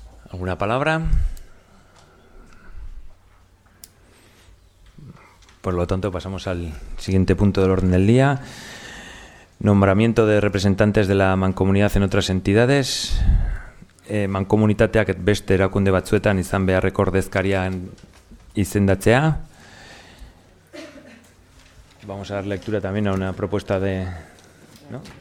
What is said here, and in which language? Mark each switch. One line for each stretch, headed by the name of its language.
Spanish: ¿Alguna palabra? Por lo tanto, pasamos al siguiente punto del orden del día. Nombramiento de representantes de la Mancomunidad en otras entidades.
Basque: Mancomunitateak beste erakunde batzuetan izan beharreko ordezkaria izendatzea.
Spanish: Vamos a dar lectura también a una propuesta de... ¿no?